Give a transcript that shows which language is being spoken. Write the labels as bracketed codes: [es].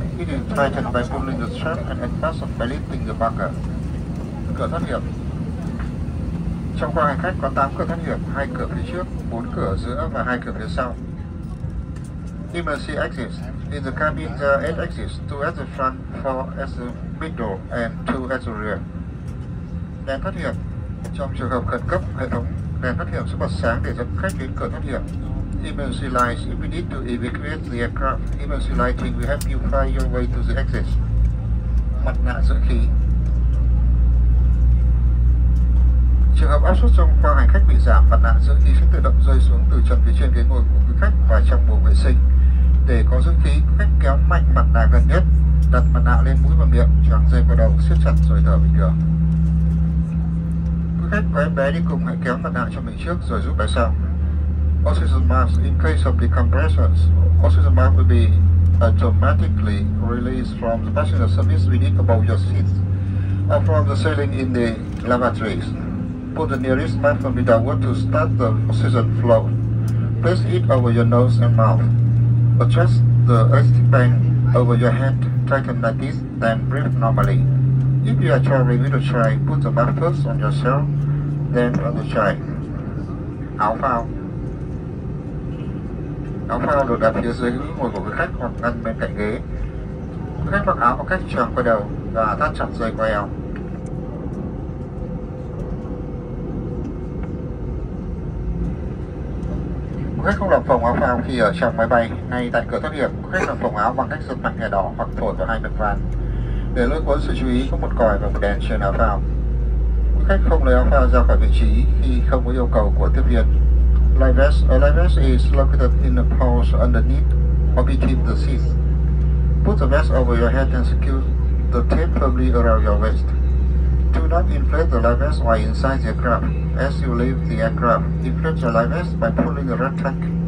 [en] It is tightened by pulling the strap and unfastened by lifting the bucket. [vi] Cửa thoát hiểm. Trong khoang hành khách có 8 cửa thoát hiểm, 2 cửa phía trước, 4 cửa giữa và 2 cửa phía sau. [en] Emergency exits. In the cabin there are 8 exits, 2 at the front, 4 at the middle and 2 at the rear. [vi] Đèn thoát hiểm. Trong trường hợp khẩn cấp, hệ thống đèn thoát hiểm sẽ bật sáng để dẫn khách đến cửa thoát hiểm. [en] Emergency lights. If we need to evacuate the aircraft, emergency lighting will help you find your way to the exit. [vi] Mặt nạ dưỡng khí. Trường hợp áp suất trong khoang hành khách bị giảm, mặt nạ dưỡng khí sẽ tự động rơi xuống từ trần phía trên ghế ngồi của quý khách và trong buồng vệ sinh. Để có dưỡng khí, khách kéo mạnh mặt nạ gần nhất, đặt mặt nạ lên mũi và miệng, choàng dây vào đầu, siết chặt rồi thở bình thường. Khách có em bé đi cùng hãy kéo mặt nạ cho mình trước rồi giúp bé sau. [en] Oxygen mask. In case of decompression, oxygen mask will be automatically released from the passenger service beneath above your seat or from the ceiling in the lavatories. Put the nearest mask from the downward to start the oxygen flow. Place it over your nose and mouth. Adjust the elastic band over your head, tighten like this, then breathe normally. If you are traveling with a child, put the mask first on yourself, then on the child. [vi] Áo phao. Áo phao được đặt phía dưới ghế ngồi của quý khách hoặc ngăn bên cạnh ghế. Quý khách mặc áo một cách tròn qua đầu và thắt chặt dây qua eo. Quý khách không làm phồng áo phao khi ở trong máy bay. Ngay tại cửa thoát hiểm, quý khách làm phồng áo bằng cách giật mạnh thẻ đỏ hoặc thổi vào hai bên van. Để lôi cuốn sự chú ý, có một còi và một đèn trên áo phao. Quý khách không lấy áo phao ra khỏi vị trí khi không có yêu cầu của tiếp viên. [en] A life vest is located in the pouch underneath or between the seats. Put the vest over your head and secure the tape firmly around your waist. Do not inflate the life vest while inside the aircraft. As you leave the aircraft, inflate your life vest by pulling the red tag.